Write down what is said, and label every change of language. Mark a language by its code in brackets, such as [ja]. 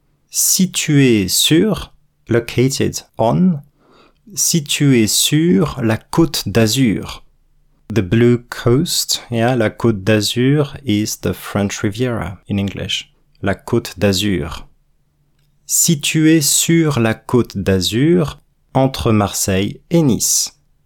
[fr] Située sur, [en] located on, [fr] située sur la côte d'Azur. [en] The Blue Coast, yeah, la côte d'Azur is the French Riviera in English. [fr] La côte d'Azur. Située sur la côte d'Azur, entre Marseille et Nice.